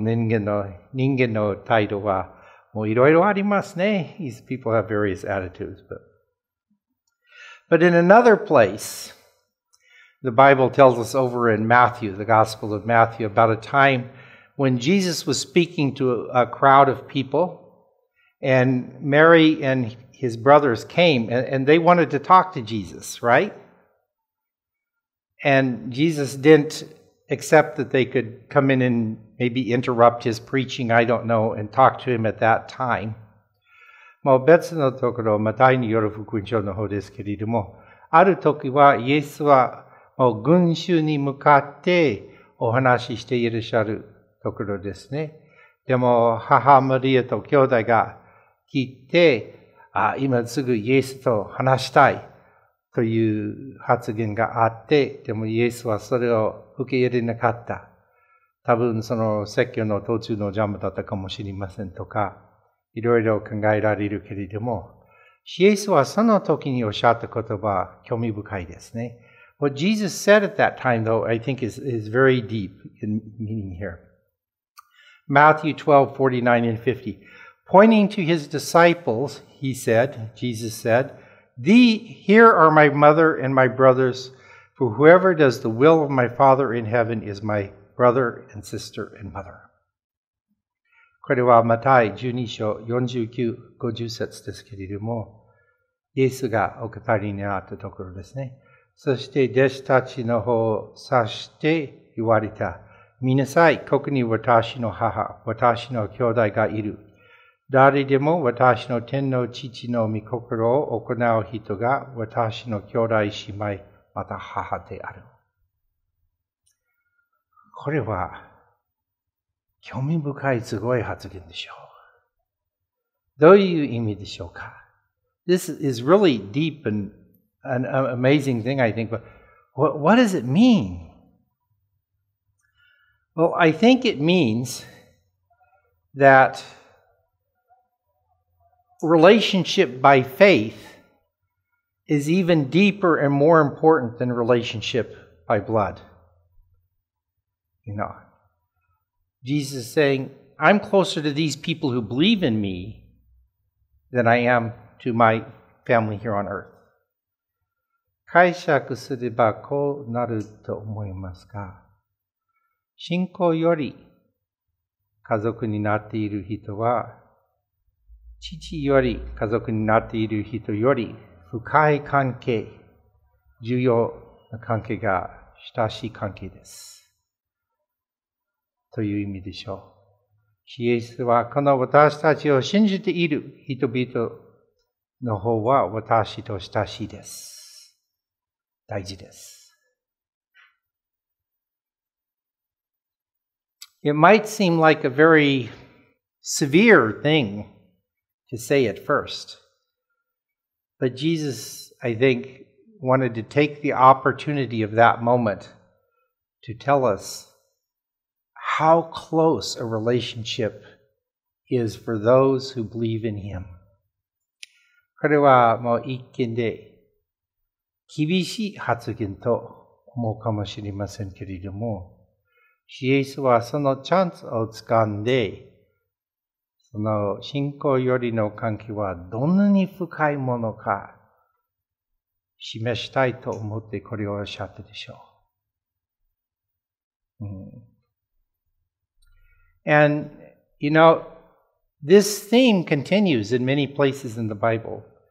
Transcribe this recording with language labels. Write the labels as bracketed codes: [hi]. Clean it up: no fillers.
[ja] 人間の態度はもういろいろありますね。 [en] These people have various attitudes, but... But in another place, the Bible tells us over in Matthew, the Gospel of Matthew, about a time when Jesus was speaking to a crowd of people, and Mary and his brothers came, and they wanted to talk to Jesus, right? And Jesus didn't accept that they could come in and maybe interrupt his preaching, I don't know, and talk to him at that time. [ja] もう別のところ、マタイによる福音書の方ですけれども、ある時はイエスはもう群衆に向かってお話ししていらっしゃるところですね。でも母マリアと兄弟が聞いて、今すぐイエスと話したいという発言があって、でもイエスはそれを受け入れなかった。多分その説教の途中の邪魔だったかもしれませんとか、いろいろ考えられるけれども、イエスはその時におっしゃった言葉、興味深いですね。 [en] What Jesus said at that time, though, I think is very deep in meaning here. Matthew 12, 49 and 50. Pointing to his disciples, he said, Jesus said, Here are my mother and my brothers, for whoever does the will of my Father in heaven is my brother and sister and mother. [ja] これはマタイ12章49、50節ですけれども、イエスがお語りになったところですね。そして弟子たちの方を指して言われた。見なさい、ここに私の母、私の兄弟がいる。誰でも私の天の父の御心を行う人が私の兄弟姉妹、また母である。これは、興味深いすごい発言でしょう。どういう意味でしょうか? [en] This is really deep and an amazing thing, I think. But what does it mean? Well, I think it means that relationship by faith is even deeper and more important than relationship by blood. You know. Jesus is saying, I'm closer to these people who believe in me than I am to my family here on earth. [ja] 解釈すればこうなると思いますか? 信仰より家族になっている人は、父より家族になっている人より深い関係、重要な関係が親しい関係です。という意味でしょう。イエスはこの私たちを信じている人々の方は私と親しいです。大事です。 [en] It might seem like a very severe thing to say at first, but Jesus, I think, wanted to take the opportunity of that moment to tell us how close a relationship is for those who believe in him. [ja] これはもう一見で厳しい発言と思うかもしれませんけれども、イエスはそのチャンスをつかんで、その信仰よりの関係はどんなに深いものか示したいと思ってこれをおっしゃったでしょう。 [en] And, you know, this theme continues in many places in the Bible.